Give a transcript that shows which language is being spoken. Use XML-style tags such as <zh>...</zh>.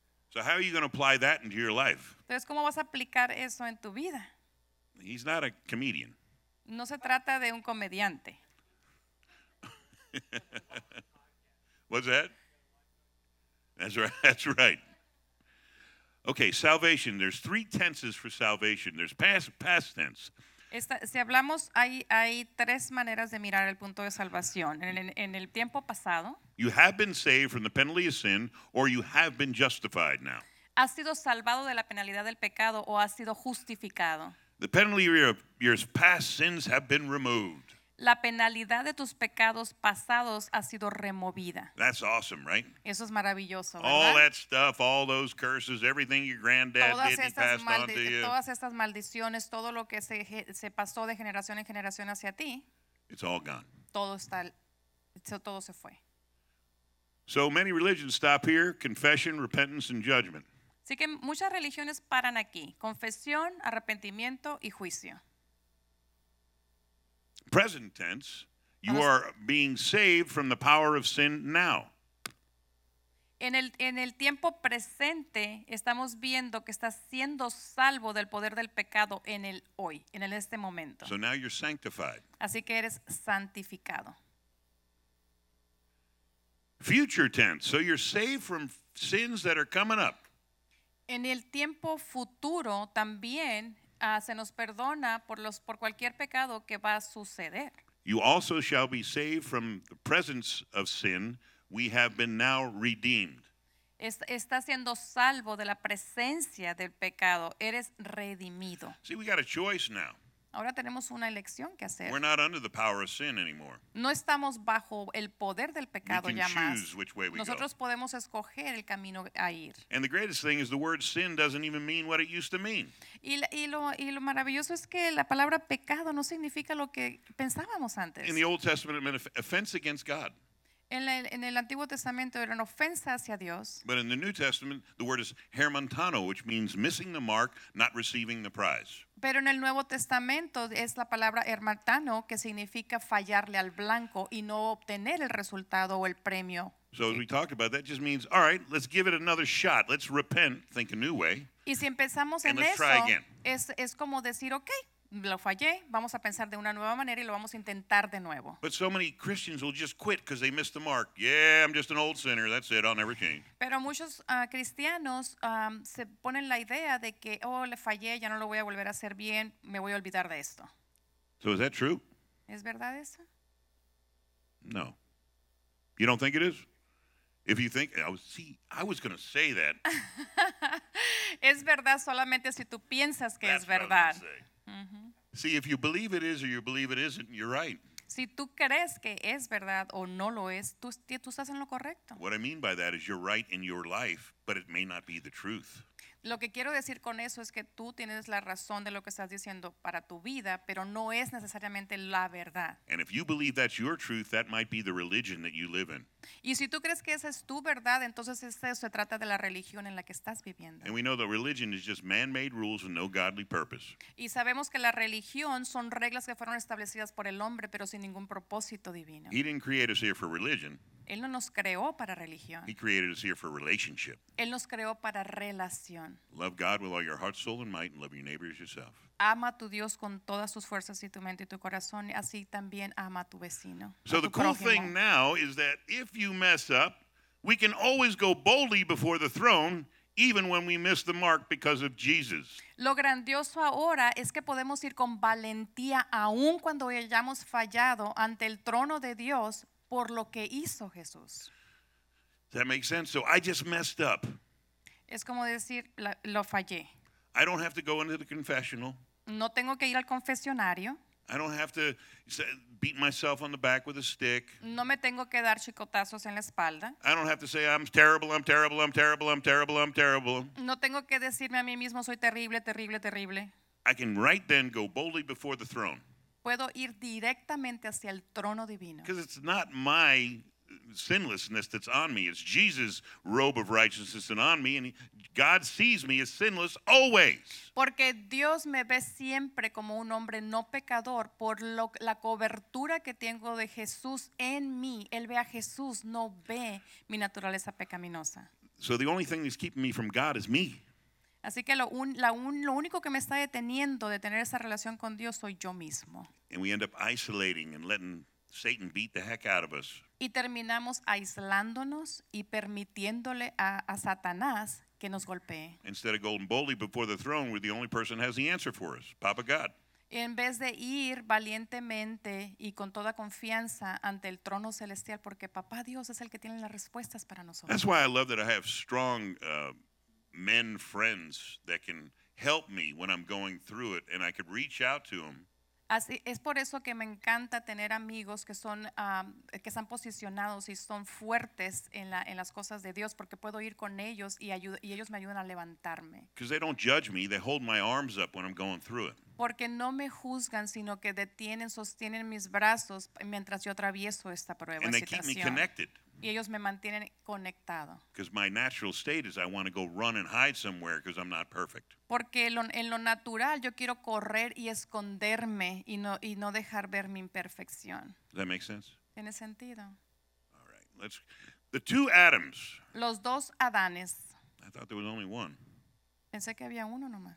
<en>So how are you going to apply that into your life?</en> <es>Entonces, ¿cómo vas a aplicar eso en tu vida?</es> <en>He's not a comedian.</en> <es>No se trata de un comediante.</es> <en>What's that? That's right. Okay, salvation. There's three tenses for salvation. There's past tense.</en> <es>Si hablamos, hay tres maneras de mirar el punto de salvación. En el tiempo pasado.</es> <en>You have been saved from the penalty of sin, or you have been justified now.</en> <es>Has sido salvado de la penalidad del pecado, o has sido justificado.</es> <en>The penalty of your past sins have been removed.</en> <es>La penalidad de tus pecados pasados ha sido removida.</es> <en>That's awesome, right?</en> <es>Eso es maravilloso, ¿verdad?</es> <en>All that stuff, all those curses, everything your granddad did, he passed on to you.</en> <es>Todas estas maldiciones, todo lo que se pasó de generación en generación hacia ti.</es> <en>It's all gone.</en> <es>Todo se fue.</es> <en>So many religions stop here, confession, repentance, and judgment.</en> <es>Así que muchas religiones paran aquí, confesión, arrepentimiento y juicio.</es> <en>Present tense, you are being saved from the power of sin now.</en> <es>En el tiempo presente, estamos viendo que estás siendo salvo del poder del pecado en el hoy, en el este momento.</es> <en>So now you're sanctified.</en> <es>Así que eres santificado.</es> <en>Future tense, so you're saved from sins that are coming up.</en> <es>En el tiempo futuro, también, se nos perdona por cualquier pecado que va a suceder.</es> <en>You also shall be saved from the presence of sin. We have been now redeemed.</en> <es>Está siendo salvo de la presencia del pecado. Eres redimido.</es> <en>See, we got a choice now.</en> <es>Ahora tenemos una elección que hacer.</es> <en>We're not under the power of sin anymore.</en> <es>No estamos bajo el poder del pecado ya más.</es> <en>We can choose which way we</en> <es>Nosotros</es> <en>go.</en> <es>Podemos escoger el camino a ir.</es> <en>And the greatest thing is the word sin doesn't even mean what it used to mean.</en> <es>Y lo maravilloso es que la palabra pecado no significa lo que pensábamos antes.</es> <en>In the Old Testament, it meant offense against God.</en> <es>En el Antiguo Testamento era una ofensa hacia Dios.</es> <en>But in the New Testament, the word is hermantano, which means missing the mark, not receiving the prize.</en> <es>Pero en el Nuevo Testamento es la palabra hermantano, que significa fallarle al blanco y no obtener el resultado o el premio.</es> <en>So as we talked about, that just means, all right, let's give it another shot. Let's repent, think a new way.</en> <es>Y si empezamos en eso, es como decir, okay, lo fallé, vamos a pensar de una nueva manera y lo vamos a intentar de nuevo.</es> <en>But so many Christians will just quit because they missed the mark. Yeah, I'm just an old sinner, that's it, I'll never change.</en> <es>Pero muchos cristianos se ponen la idea de que, oh, le fallé, ya no lo voy a volver a hacer bien, me voy a olvidar de esto.</es> <en>So is that true?</en> <es>¿Es verdad eso?</es> <en>No. You don't think it is? If you think, see, I was going to say that.</en> <es>Es verdad solamente si tú piensas que</es> <en>That's</en> <es>es verdad.</es> <en>See, if you believe it is or you believe it isn't, you're right.</en> <es>Si tú crees que es verdad o no lo es, tú estás en lo correcto.</es> <en>What I mean by that is you're right in your life, but it may not be the truth.</en> <es>Lo que quiero decir con eso es que tú tienes la razón de lo que estás diciendo para tu vida, pero no es necesariamente la verdad.</es> <en>And if you believe that's your truth, that might be the religion that you live in.</en> <es>Y si tú crees que esa es tu verdad, entonces eso se trata de la religión en la que estás viviendo.</es> <en>And we know that religion is just man-made rules with no godly purpose.</en> <es>Y sabemos que la religión son reglas que fueron establecidas por el hombre, pero sin ningún propósito divino.</es> <en>He didn't create us here for religion.</en> <es>Él no nos creó para religión.</es> <en>He created us here for relationship.</en> <es>Él nos creó para relación.</es> <en>Love God with all your heart, soul, and might, and love your neighbor as yourself.</en> <es>Ama a tu Dios con todas tus fuerzas y tu mente y tu corazón, así también ama a tu vecino.</es> <en>So the cool thing now is that if you mess up, we can always go boldly before the throne, even when we miss the mark because of Jesus.</en> <es>Lo grandioso ahora es que podemos ir con valentía aun cuando hayamos fallado ante el trono de Dios. Por lo que hizo Jesús.</es> <en>That makes sense. So I just messed up.</en> <es>Es como decir, lo fallé.</es> <en>I don't have to go into the confessional.</en> <es>No tengo que ir al confesionario.</es> <en>I don't have to beat myself on the back with a stick.</en> <es>No me tengo que dar chicotazos en la espalda.</es> <en>I don't have to say I'm terrible, I'm terrible, I'm terrible, I'm terrible, I'm terrible.</en> <es>No tengo que decirme a mí mismo soy terrible, terrible, terrible.</es> <en>I can right then go boldly before the throne.</en> <es>Puedo ir directamente hacia el trono divino.</es> <en>Because it's not my sinlessness that's on me. It's Jesus' robe of righteousness that's on me. And God sees me as sinless always.</en> <es>Porque Dios me ve siempre como un hombre no pecador. Por la cobertura que tengo de Jesús en mí. Él ve a Jesús, no ve mi naturaleza pecaminosa.</es> <en>So the only thing that's keeping me from God is me.</en> <es>Así que lo único que me está deteniendo de tener esa relación con Dios soy yo mismo.</es> <en>And we end up isolating and letting Satan beat the heck out of us.</en> <es>Y terminamos aislándonos y permitiéndole a Satanás que nos golpee.</es> <en>Instead of going boldly before the throne, we're the only person who has the answer for us, Papa God.</en> <es>En vez de ir valientemente y con toda confianza ante el trono celestial, porque Papá Dios es el que tiene las respuestas para nosotros.</es> <en>That's why I love that I have strong men friends that can help me when I'm going through it and I could reach out to them.</en> <es>Así es por eso que me encanta tener amigos que son que están posicionados y son fuertes en las cosas de Dios porque puedo ir con ellos y ellos me ayudan a levantarme.</es> <en>Because they don't judge me, they hold my arms up when I'm going through it.</en> <es>Porque no me juzgan, sino que detienen, sostienen mis brazos mientras yo atravieso esta prueba,</es> <en>and they keep me connected.</en> <es>Y ellos me mantienen conectado.</es> <en>Because my natural state is I want to go run and hide somewhere because I'm not perfect.</en> <es>Porque en lo natural yo quiero correr y esconderme y no dejar ver mi imperfección.</es> <en>Does that make sense?</en> <es>Tiene sentido.</es> <en>All right. The two Adams.</en> <es>Los dos Adanes.</es> <en>I thought there was only one.</en> <es>Pensé que había uno nomás.</es>